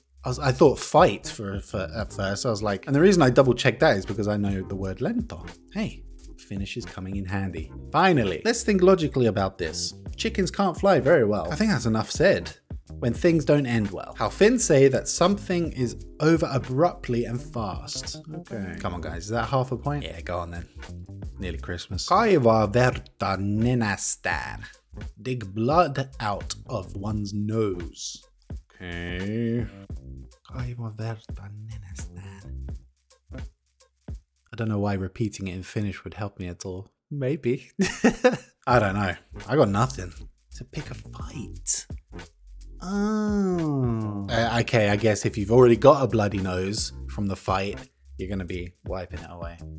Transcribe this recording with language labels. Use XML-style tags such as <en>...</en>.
<en>I thought fight for at first. I was like, and the reason I double checked that is because I know the word lento. Hey, Finnish is coming in handy. Finally, let's think logically about this. Chickens can't fly very well. I think that's enough said. When things don't end well. How Finns say that something is over abruptly and fast. Okay. Come on, guys. Is that half a point? Yeah, go on then. Nearly Christmas.</en> <fi>Kaivaa verta nenästään.</fi> <en>Dig blood out of one's nose. Okay.</en> <fi>Kaivaa verta nenästään.</fi> <en>I don't know why repeating it in Finnish would help me at all. Maybe. I don't know. I got nothing. To pick a fight. Oh. Okay, I guess if you've already got a bloody nose from the fight, you're going to be wiping it away.</en>